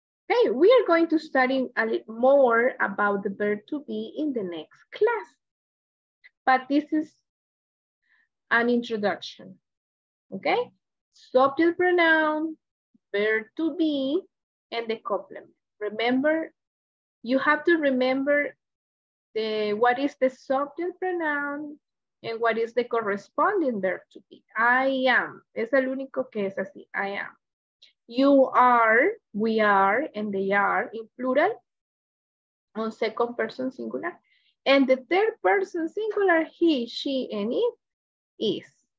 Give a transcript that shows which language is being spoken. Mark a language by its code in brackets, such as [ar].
[en] Okay, we are going to study a little more about the verb to be in the next class, but this is an introduction. Okay, subject pronoun, verb to be, and the complement. Remember, you have to remember the what is the subject pronoun and what is the corresponding verb to be. I am, [es] es el único que es así, [en] I am. You are, we are, and they are in plural, on second person singular. And the third person singular, he, she, and it is.